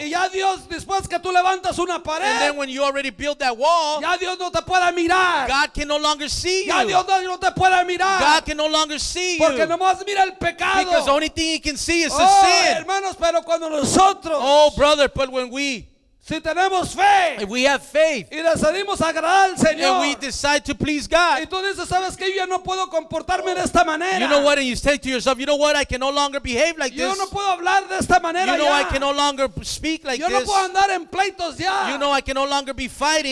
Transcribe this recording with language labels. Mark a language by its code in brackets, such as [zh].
[es] Y ya Dios, después que tú levantas una pared, [en] and then when you already build that wall, [es] ya Dios no te puede mirar. [en] God can no longer see [es] ya [en] you. [es] Ya Dios no te puede mirar. [en] God can no longer see you. [es] Porque nomás mira el pecado. [en] Because the only thing he can see is the sin. [es] Hermanos, pero cuando nosotros, [en] oh, brother, but when we, [es] si tenemos fe, [en] if we have faith, [es] y decidimos agradar al Señor, [en] and we decide to please God, [es] y tú dices, ¿sabes qué? Yo ya no puedo comportarme de esta manera. [en] You know what? And you say to yourself, you know what? I can no longer behave like [es] yo [en] this. [es] Yo no puedo hablar de esta manera. [en] You know [es] ya. [en] I can no longer speak like [es] yo [en] this. [es] Yo no puedo andar en pleitos ya. [en] You know I can no longer be fighting.